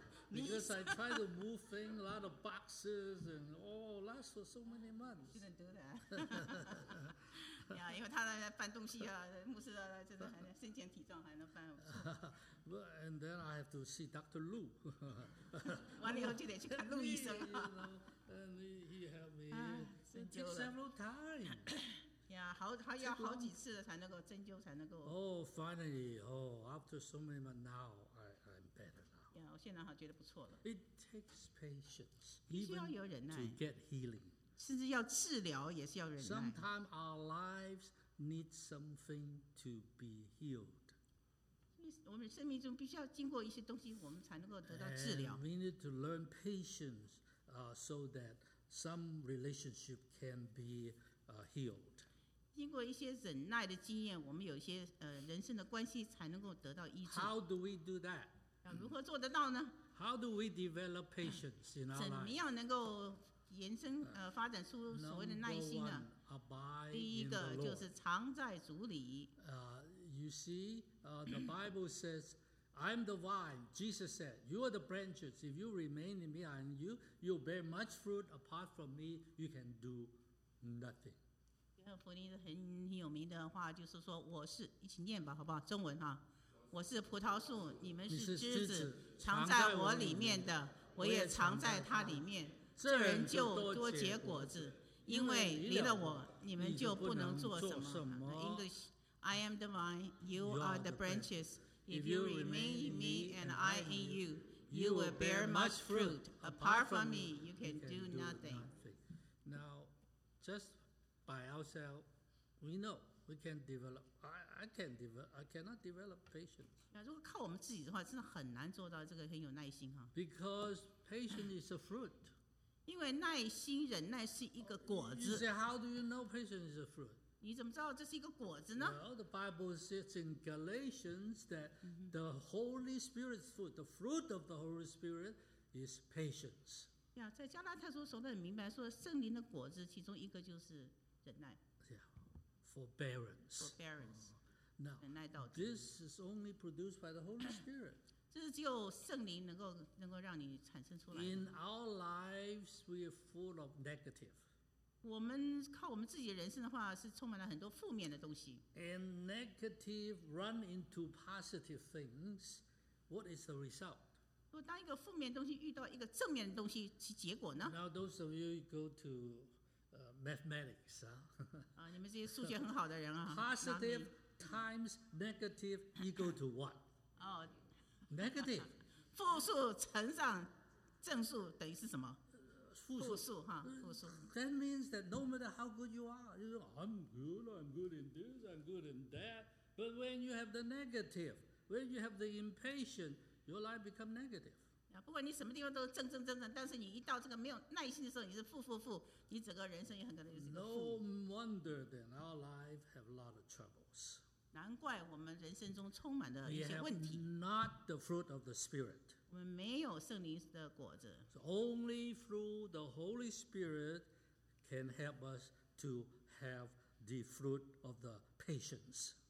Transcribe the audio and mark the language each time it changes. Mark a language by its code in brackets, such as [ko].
[en] Because I try to move things, a lot of boxes, and last for so many months. Shouldn't do that. Yeah, [zh] 因为他在搬东西啊，牧师啊，就是还能身兼体重，还能搬。 [en] Well, and then I have to see Dr. Lu. [zh] 完了以后就得去看陆医生。 [en] And he helped me. It took several times. Yeah, [zh] 好要好几次才能够针灸才能够。 [en] After so many months, now I'm better now. Yeah, [zh] 我现在好觉得不错了。 [en] It takes patience, even [zh] 需要有忍耐 [en] to get healing. [zh] 甚至要治疗也是要忍耐。 [en] Sometimes our lives need something to be healed. [zh] 我们生命中必须要经过一些东西，我们才能够得到治疗。 [en] And we need to learn patience, so that some relationship can be healed. [zh] 经过一些忍耐的经验，我们有一些人生的关系才能够得到医治。 [en] How do we do that? [zh] 要如何做得到呢？ [en] How do we develop patience in our life? [zh] 怎么样能够延伸发展出所谓的耐心呢？ [en] Number one, abide in the Lord. [zh] 第一个就是常在主里。 [en] You see, the Bible says, I'm the vine, Jesus said. You are the branches. If you remain in me and you, you'll bear much fruit. Apart from me, you can do nothing. [zh] 约翰福音很有名的话就是说，我是，一起念吧，好不好？中文哈，我是葡萄树，你们是枝子藏在我里面的，我也藏在他里面，这人就多结果子，因为离了我，你们就不能做什么。什么 [en] English, I am the vine, you are the branches. If you remain in me and I in you, you will bear much fruit. Apart from me, you can do nothing. Now, just by ourselves, we know we can develop. I can develop. I cannot develop patience. [zh] 如果靠我们自己的话，真的很难做到这个很有耐心哈。 [en] Because patience is a fruit. [zh] 因为耐心忍耐是一个果子。 [en] You say, how do you know patience is a fruit? [zh] 你怎么知道这是一个果子呢？ [en] Well, the Bible says in Galatians that the Holy Spirit's fruit, the fruit of the Holy Spirit, is patience. Yeah, [zh] 在加拉太书说得很明白，说圣灵的果子其中一个就是忍耐。 [en] Yeah, forbearance. Forbearance. Now, [zh] 忍耐到底。 [en] This is only produced by the Holy Spirit. [zh] 这是只有圣灵能够让你产生出来的。 [en] In our lives, we are full of negative. [zh] 我们靠我们自己的人生的话是充满了很多负面的东西。 [en] And negative run into positive things, what is the result? [zh] 当一个负面的东西遇到一个正面的东西，其结果呢？ [en] Now those of you go to mathematics. [zh] 你们这些数学很好的人啊。 [en] Positive times negative equal to what? Negative. [zh] 负数乘上正数等于是什么？复数。 [en] That means that no matter how good you are, you say, I'm good in this, I'm good in that. But when you have the negative, when you have the impatient, your life becomes negative. [zh] 不管你什么地方都正，但是你一到这个没有耐心的时候，你是负，你整个人生也很可能就是一个负。 [en] No wonder that our life have a lot of troubles. [zh] 难怪我们人生中充满了一些问题。 [en] We have not the fruit of the Spirit. [zh] 我们没有圣灵的果子。 [en] So only through the Holy Spirit can help us to have the fruit of the patience.